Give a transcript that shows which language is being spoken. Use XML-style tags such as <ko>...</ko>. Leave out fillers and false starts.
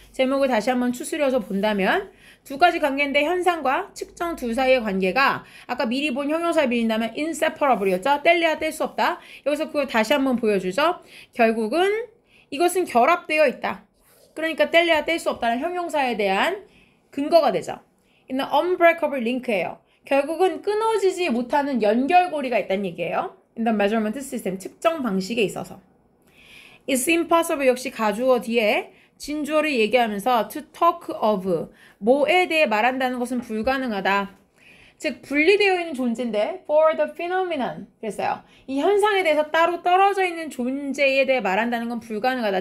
<ko>제목을 다시 한번 추스려서 본다면 두 가지 관계인데 현상과 측정 두 사이의 관계가 아까 미리 본 형용사에 비린다면 inseparable이었죠. 뗄래야 뗄 수 없다. 여기서 그걸 다시 한번 보여주죠. 결국은 이것은 결합되어 있다. 그러니까 뗄래야 뗄 수 없다는 형용사에 대한 근거가 되죠. 이는</ko> <en>unbreakable link</en> <ko>예요. 결국은 끊어지지 못하는 연결고리가 있다는 얘기예요.</ko> <en>In the measurement system,</en> <ko>측정 방식에 있어서.</ko> <en>It's impossible</en> <ko>역시 가주어 뒤에 진주어를 얘기하면서</ko> <en>to talk of,</en> <ko>뭐에 대해 말한다는 것은 불가능하다. 즉 분리되어 있는 존재인데</ko> <en>for the phenomenon</en> <ko>그랬어요. 이 현상에 대해서 따로 떨어져 있는 존재에 대해 말한다는 건 불가능하다.</ko>